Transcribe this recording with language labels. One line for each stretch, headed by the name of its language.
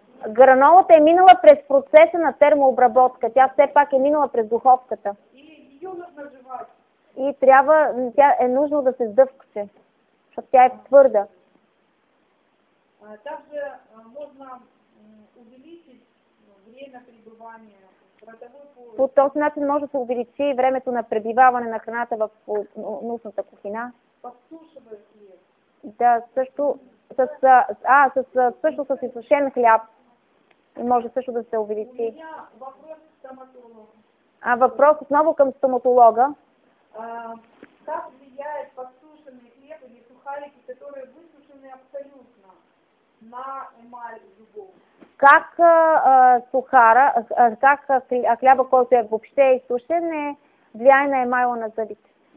Bulgarian: Гранолата е минала през процеса на термообработка. Тя все пак е минала през духовката. И трябва, тя е нужно да се сдъвка, защото тя е твърда.
Russian: Также можно увеличить время пребывания.
Bulgarian: По този начин може да се увеличи времето на пребиваване на храната в устната кухина. Да, също с изсушен хляб. Може също да се увеличи. Въпрос отново към стоматолога.
Russian: Как влияет подсушенный хлеб или сухарики, которые высушены абсолютно на эмаль зубов?
Bulgarian: Как сухара, как хляба, който е въобще изсушен, е влияе на емайла на зъбите?